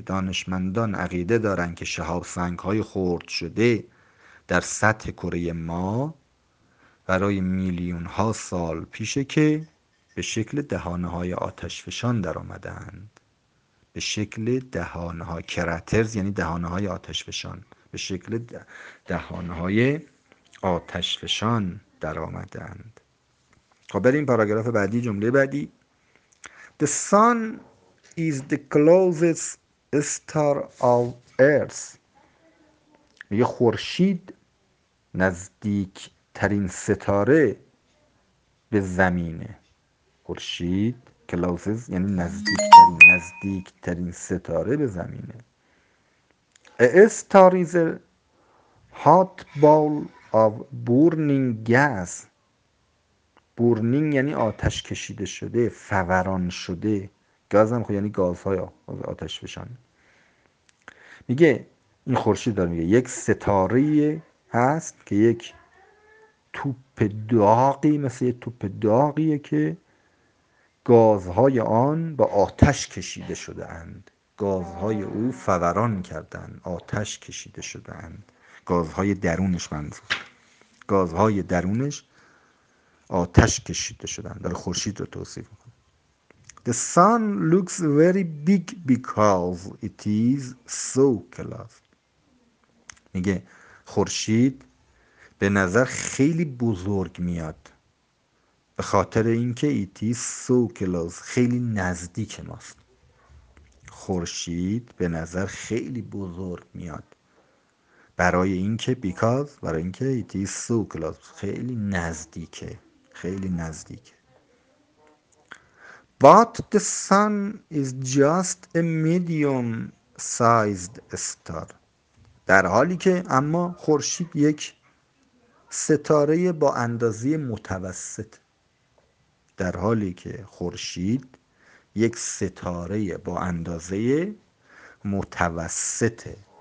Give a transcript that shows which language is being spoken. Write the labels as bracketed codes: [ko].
[fa] دانشمندان عقیده دارند که شهاب سنگ های خورد شده در سطح کره ماه برای میلیون ها سال پیشه که به شکل دهانه های آتش فشان در آمدند. به شکل دهانه های کراترز یعنی دهانه های آتش فشان. به شکل دهانه های آتش فشان در آمدند. خب بریم پاراگراف بعدی، جمله بعدی. [en] The sun is the closest star of earth. [fa] یه خورشید نزدیک ترین ستاره به زمینه. خورشید کلاوزز یعنی نزدیک ترین ستاره به زمینه. [en] A star is a hot ball of burning gas. [fa] Burning یعنی آتش کشیده شده، فوران شده. گاز هم خود یعنی گازهای آتش فشان. میگه این خورشید داره، میگه یک ستاره هست که یک توپ داغی، مثل یک توپ داغیه که گازهای آن با آتش کشیده شده اند. گازهای او فوران کردند، آتش کشیده شده اند. گازهای درونش منظور. گازهای درونش آتش کشیده شده اند. داره خورشید رو توصیف میکنه. [en] The sun looks very big because it is so close. [fa] میگه خورشید به نظر خیلی بزرگ میاد به خاطر اینکه [en] it is so close، [fa] خیلی نزدیک ماست. خورشید به نظر خیلی بزرگ میاد برای اینکه [en] because، [fa] برای اینکه [en] it is so close، [fa] خیلی نزدیکه، خیلی نزدیکه. [en] But the sun is just a medium sized star. [fa] در حالی که اما خورشید یک ستاره با اندازه متوسط. در حالی که خورشید یک ستاره با اندازه متوسطه.